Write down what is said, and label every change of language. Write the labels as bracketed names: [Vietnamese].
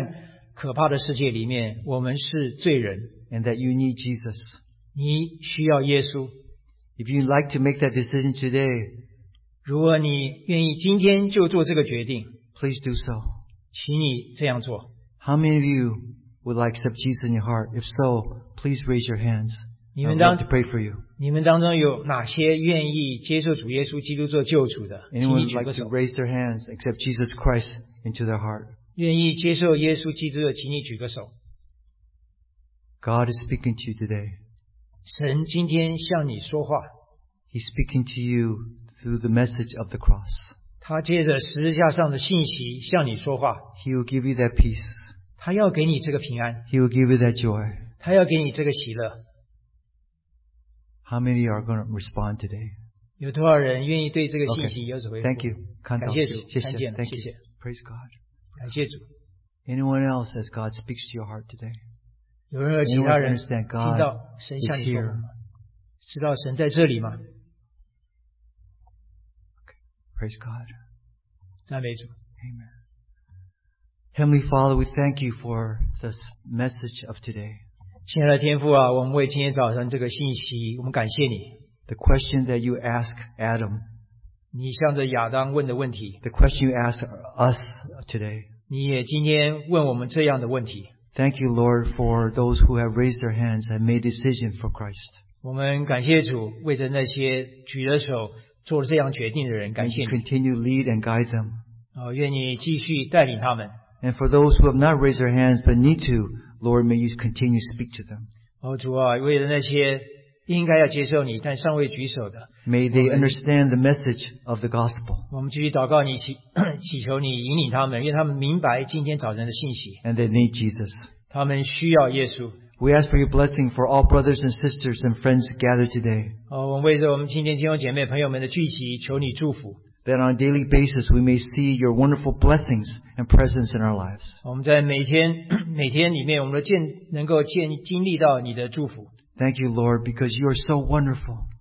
[Chinese] 我们从信息中我们明白了,我们是活在这个黑暗可怕的世界里面,我们是罪人, [English] and that you need Jesus. [Chinese] 你需要耶稣。 [English] If you'd like to make that decision today, [Chinese] 如果你愿意今天就做这个决定, [English] please do so. [Chinese] 请你这样做。 [English] How many of you would like to accept Jesus in your heart? If so, please raise your hands. [Chinese] 你们当, [English] I'd like to pray for you. [Chinese] 你们当中有哪些愿意接受主耶稣基督做救主的? [English] Anyone would like to raise their hands and accept Jesus Christ into their heart? [Chinese] 愿意接受耶稣基督的, 请你举个手。 [English] God is speaking to you today. [Chinese] 神今天向你说话, [English] He's speaking to you through the message of the cross. [Chinese] 他借着十字架上的信息向你说话, [English] He will give you that peace. [Chinese] 他要给你这个平安, [English] He will give you that joy. [Chinese] 他要给你这个喜乐。 [English] How many are going to respond today? [Chinese] 有多少人愿意对这个信息有所回复? [English] Okay. Thank you. [Chinese] 感谢主, 谢谢, [English] thank you. Praise God. [Chinese] 感谢主。 [English] Anyone else as God speaks to your heart today? [Chinese] 有人和其他人听到神向你说话吗？知道神在这里吗？ [English] Okay. Praise God. [Chinese] 赞美主。 [English] Amen. Heavenly Father, we thank you for this message of today. [Chinese] 亲爱的天父啊，我们为今天早上这个信息，我们感谢你。 [English] The question that you ask Adam. [Chinese] 你向着亚当问的问题。 [English] The question you ask us today. [Chinese] 你也今天问我们这样的问题。 [English] Thank you, Lord, for those who have raised their hands and made decision for Christ. [Chinese] 我们感谢主，为着那些举着手做了这样决定的人，感谢你。 [English] And continue to lead and guide them. [Chinese] 愿你继续带领他们。 [English] And for those who have not raised their hands but need to, Lord, may you continue to speak to them. [Chinese] 主啊，为了那些应该要接受你但尚未举手的。 [English] May they understand the message of the gospel. [Chinese] 我们继续祷告你，祈求你引领他们，愿他们明白今天早晨的信息。 [English] And they need Jesus. [Chinese] 他们需要耶稣。 [English] We ask for your blessing for all brothers and sisters and friends gathered today. That on a daily basis we may see your wonderful blessings and presence in our lives. Thank you, Lord, because you are so wonderful.